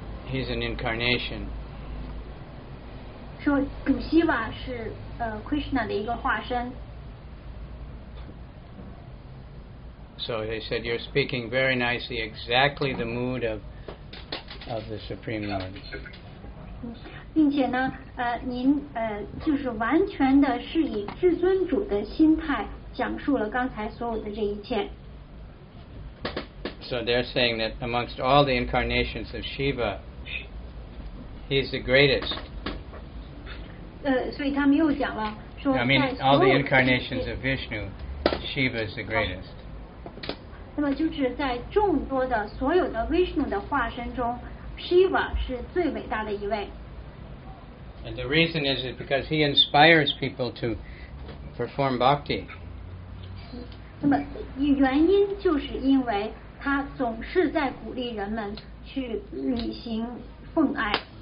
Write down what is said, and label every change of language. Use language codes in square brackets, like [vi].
[en] He's an incarnation. [zh] 说主西瓦是Krishna 的一个化身。 [en] So they said, you're speaking very nicely, exactly the mood of the Supreme Lord. [zh] 并且呢，您就是完全的是以至尊主的心态讲述了刚才所有的这一切。 [en] So they're saying that amongst all the incarnations of Shiva, he's the greatest. [zh] 所以他们又讲了，说 [en] I mean, all the incarnations of Vishnu, Shiva is the greatest. [zh] 那么就是在众多的所有的 Vishnu 的化身中 Shiva 是最伟大的一位。 [en] And the reason is because he inspires people to perform bhakti. [zh] 那么原因就是因为他总是在鼓励人们去履行奉爱。